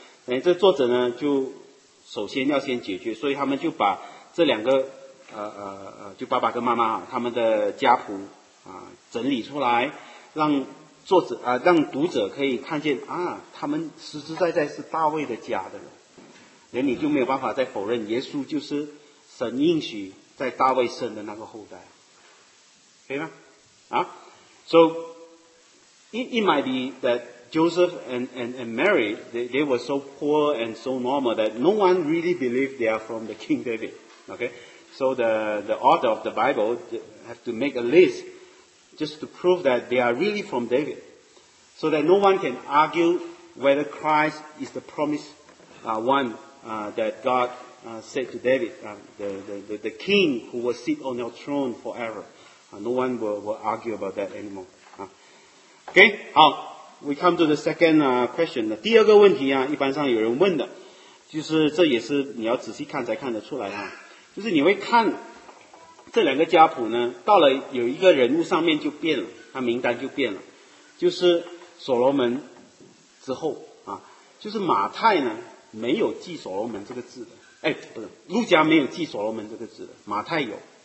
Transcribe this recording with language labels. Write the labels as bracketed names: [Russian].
[Chinese] 哎，这作者呢就首先要先解决，所以他们就把这两个就爸爸跟妈妈啊，他们的家谱啊整理出来，让作者啊让读者可以看见啊，他们实实在在是大卫的家的人，人你就没有办法再否认耶稣就是神应许在大卫生的那个后代，可以吗？ [English] 啊 ，so it might be that Joseph and Mary they were so poor and so normal that no one really believed they are from the King David. Okay, so the author of the Bible have to make a list just to prove that they are really from David, so that no one can argue whether Christ is the promised one that God said to David, the king who will sit on your throne forever. No one will argue about that anymore. Okay, 好 ，we come to the second question. [Chinese] 第二个问题啊，一般上有人问的，就是这也是你要仔细看才看得出来啊，就是你会看这两个家谱呢，到了有一个人物上面就变了，他名单就变了，就是所罗门之后啊，就是马太呢没有记所罗门这个字的，哎，不是，路加没有记所罗门这个字的，马太有。